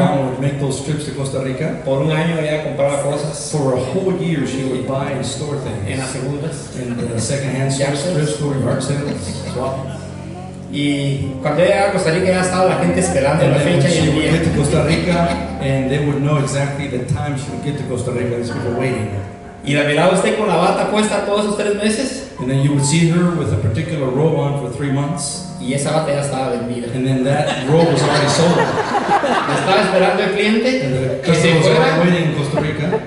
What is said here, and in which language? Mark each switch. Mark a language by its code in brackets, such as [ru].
[en] My mom would make those trips to Costa Rica. [es] Por un año ella compraba cosas. [en] For a whole year she would buy and store things. [es] En las segundas. [en] In the second-hand stores, thrift store, yard sales, swap. [es] Y cuando ella llegaba a Costa Rica ya estaba la gente esperando la fecha y el día. [en] She would get to Costa Rica and they would know exactly the time she would get to Costa Rica. These people waiting. [es] ¿Y la miraba usted con la bata puesta todos esos tres meses? [en] And then you would see her with a particular robe on for 3 months. [es] Y esa bata ya estaba vendida. [en] And then that robe was already sold. [es] Me estaba esperando el cliente. [en] And the customer was already waiting in Costa Rica.